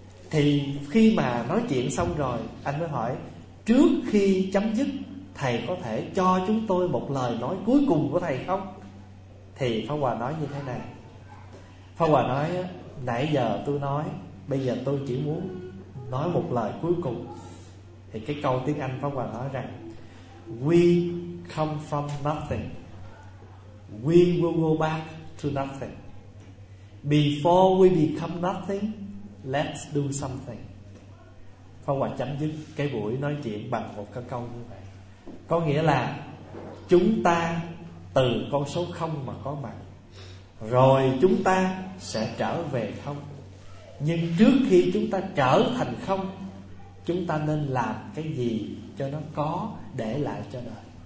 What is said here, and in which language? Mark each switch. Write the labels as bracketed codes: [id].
[vi] Thì khi mà nói chuyện xong rồi, anh mới hỏi trước khi chấm dứt, thầy có thể cho chúng tôi một lời nói cuối cùng của thầy không? Thì Pháp Hòa nói như thế này. Pháp Hòa nói nãy giờ tôi nói, bây giờ tôi chỉ muốn nói một lời cuối cùng. Thì cái câu tiếng Anh Pháp Hòa nói rằng We [en] come from nothing. We will go back to nothing. Before we become nothing, let's do something. [vi] Phong Hòa chấm dứt cái buổi nói chuyện bằng một cái câu như vậy. Có nghĩa là chúng ta từ con số không mà có mặt, rồi chúng ta sẽ trở về không. Nhưng trước khi chúng ta trở thành không, chúng ta nên làm cái gì cho nó có để lại cho đời.